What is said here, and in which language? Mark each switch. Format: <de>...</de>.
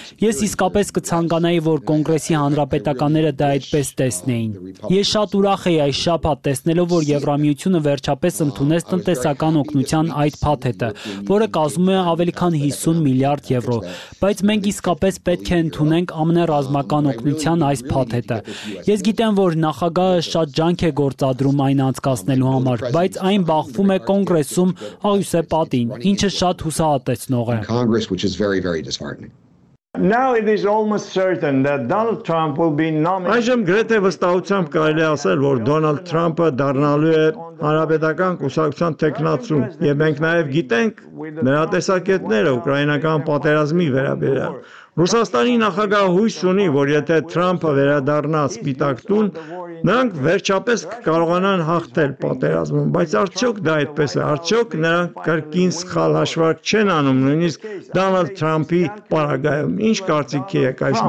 <hy>Ես իսկապես կցանկանայի, որ կոնգրեսի հանրապետականները դա այդպես տեսնեին։ Ես շատ ուրախ եի այս շաբաթ տեսնելով, որ Եվրամիությունը վերջապես ընդունեց տնտեսական օգնության այդ փաթեթը, որը կազմում է ավելի քան 50 միլիարդ եվրո, բայց մենք իսկապես պետք է ընդունենք ԱՄՆ ռազմական օգնության այս փաթեթը։ Ես գիտեմ, որ նախագահը շատ ջանք է գործադրում այն անցկացնելու համար, բայց այն բախվում է կոնգրեսում աղյուսե պատին, ինչը շատ հուսահատեցնող է։</hy> <en>Now it is almost certain that Donald Trump will be nominated.</en> <hy>Այժմ գրեթե վստահությամբ կարելի է ասել, որ Դոնալդ Թրամփը դառնալու է հանրապետական կուսակցության տեխնացու, եւ մենք նաեւ գիտենք նրա տեսակետները ուկրաինական պատերազմի վերաբերյալ։ Ռուսաստանի նախագահ հույս ունի, որ եթե Թրամփը վերադառնա Սպիտակ տուն, նրանք վերջապես կկարողանան հաղթել պատերազմը, բայց արդյոք դա այդպես է, արդյոք նրանք կրկին սխալ հաշվարկ չեն անում նույնիսկ Դոնալդ Թրամփի պարագայում։ Ինչ կարծիքի եք այս</hy>